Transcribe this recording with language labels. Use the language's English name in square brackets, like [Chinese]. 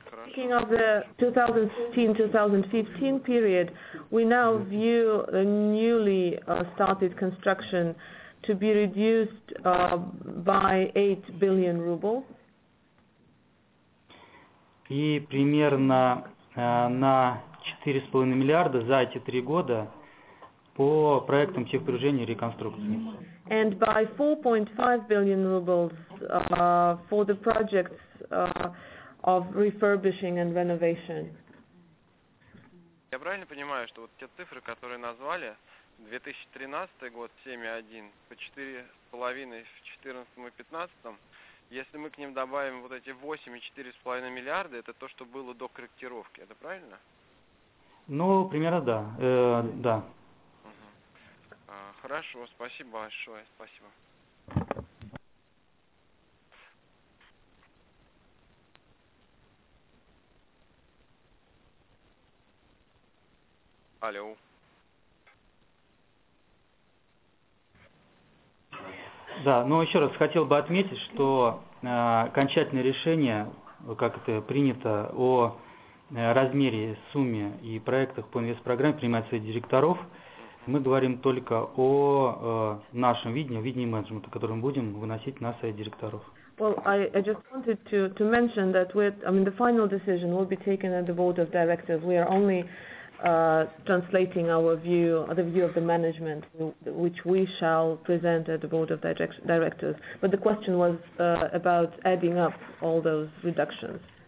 [English] Speaking of the 2013-2015 period, we now view the newly started construction to be reduced by 8 billion rubles. [Russian] И примерно на 4,5 миллиарда за эти три года по проектам техпрежения и реконструкции. [English] And by 4.5 billion rubles for the projects of refurbishing and renovation. [Russian] Я правильно понимаю, что вот те цифры, которые назвали, 2013 год 7,1 по 4,5 в 14 и 15, если мы к ним добавим вот эти 8,4 миллиарда, это то, что было до корректировки, это правильно? Ну, примерно да. Да. Хорошо, спасибо большое, спасибо. Алло. Да, но еще раз хотел бы отметить, что окончательное решение, как это принято, о размере, сумме и проектах по инвестпрограмме принимается от директоров. Мы говорим только о нашем видении, видении менеджмента, которое мы будем выносить на совет директоров. [English] Well, I just wanted to mention that the final decision will be taken at the board of directors. We are only translating our view, the view of the management, which we shall present at the board of directors. But the question was about adding up all those reductions.